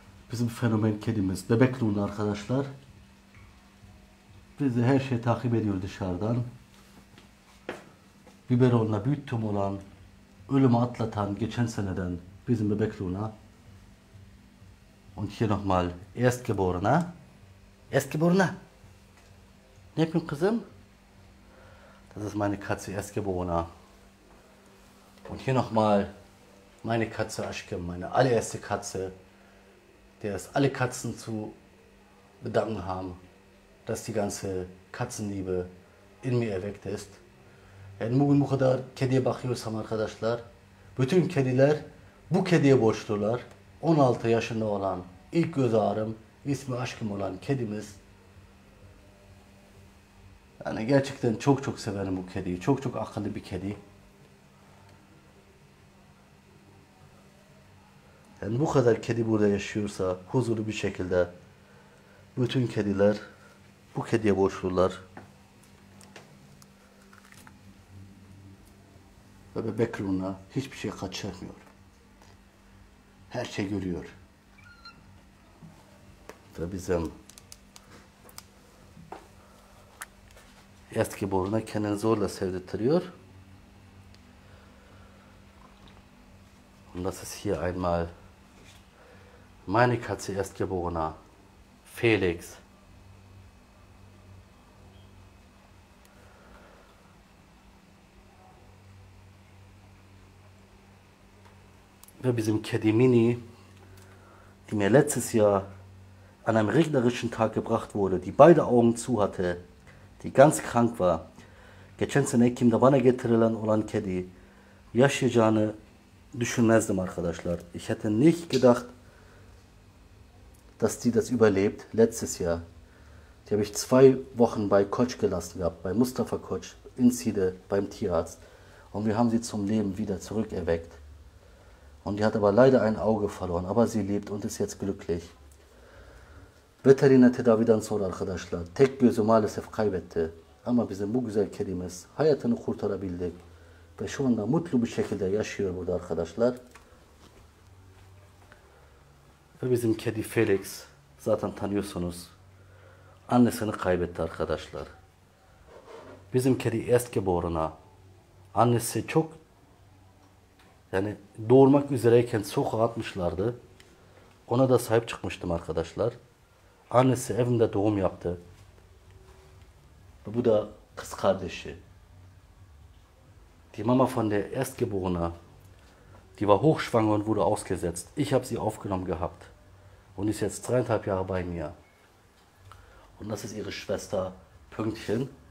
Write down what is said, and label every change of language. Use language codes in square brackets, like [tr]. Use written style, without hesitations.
[tr] Bizim fenomen kedimiz Bebek Luna arkadaşlar. Bizi her şeyi takip ediyor dışarıdan. Biberonla büyüttüm olan, ölümü atlatan geçen seneden bizim Bebek Luna. [de] Und hier nochmal Erstgeborene. Erstgeborene. [tr] Ne yapıyorsun kızım? [de] Das ist meine Katze Erstgeborene. Und hier nochmal meine Katze Aschke, meine allererste Katze, der es alle Katzen zu bedanken haben, dass die ganze Katzenliebe in mir erweckt ist. [tr] Yani bugün bu kadar kediye bakıyorsam arkadaşlar, bütün kediler bu kediye borçlular. 16 yaşında olan ilk göz ağrım, ismi aşkım olan kedimiz. Yani gerçekten çok çok severim bu kediyi. Çok çok akıllı bir kedi. Yani bu kadar kedi burada yaşıyorsa huzurlu bir şekilde bütün kediler bu kediye borçlular. Ve Bebek Luna hiçbir şey kaçırmıyor. Her şeyi görüyor. Ve bizim eski boruna kendini zorla sevdirtiyor. [de] Und das ist hier einmal meine Katze Erstgeborener, Felix. [tr] Ve bizim kedi [de] Mini, die mir letztes Jahr an einem regnerischen Tag gebracht wurde, die beide Augen zu hatte, die ganz krank war. [tr] Geçen sene Ekim'de bana getirilen olan kedi yaşayacağını düşünmezdim arkadaşlar. [de] Ich hätte nicht gedacht, dass die das überlebt, letztes Jahr. Die habe ich 2 Wochen bei Koç gelassen gehabt, bei Mustafa Koç in Side, beim Tierarzt. Und wir haben sie zum Leben wieder zurückerweckt. Und die hat aber leider ein Auge verloren, aber sie lebt und ist jetzt glücklich. [tr] Veteriner tedaviden sonra arkadaşlar, tek gözü maalesef kaybetti. Ama bizim bu güzel kedimiz hayatını kurtarabildik. Ve şu anda mutlu bir şekilde yaşıyor burada arkadaşlar. Ve bizim kedi Felix, zaten tanıyorsunuz, annesini kaybetti arkadaşlar. Bizim kedi Erstgeborene, annesi çok, yani doğurmak üzereyken sokağa atmışlardı. Ona da sahip çıkmıştım arkadaşlar. Annesi evinde doğum yaptı. Bu da kız kardeşi. [de] Die Mama von der Erstgeborene, die war hochschwanger und wurde ausgesetzt. Ich habe sie aufgenommen gehabt. Und ist jetzt 3,5 Jahre bei mir. Und das ist ihre Schwester Pünktchen.